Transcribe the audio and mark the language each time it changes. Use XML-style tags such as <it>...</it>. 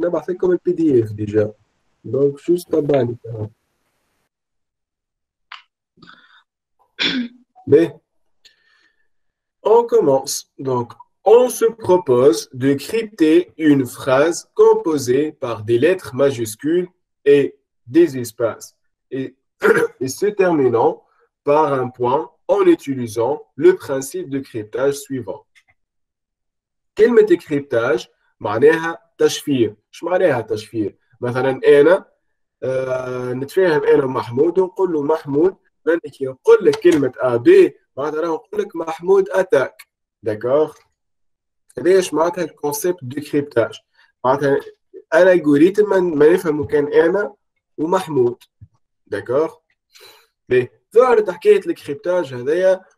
<ar>ليه بعث هذايا في الجروب باش نبعث لكم البي دي اف ديجا دونك شو استباني بي</ar> <fr>On commence. Donc, on se propose de crypter une phrase composée par des lettres majuscules et des espaces et se terminant par un point en utilisant le principe de cryptage suivant.</fr> <ar>كلمة كريبتاج معناها تشفير. شو معناها تشفير؟ مثلا أنا نتفاهم أنا ومحمود ونقول له محمود ماني كي نقول لك كلمة أ بي معناتها راه نقول لك محمود أتاك. داكوغ؟ هذا إيش معناتها الكونسيبت دو كريبتاج؟ معناتها الألغوريتم ما نفهمه كان أنا ومحمود. داكوغ؟ باهي ظهرت حكاية الكريبتاج هذايا</ar>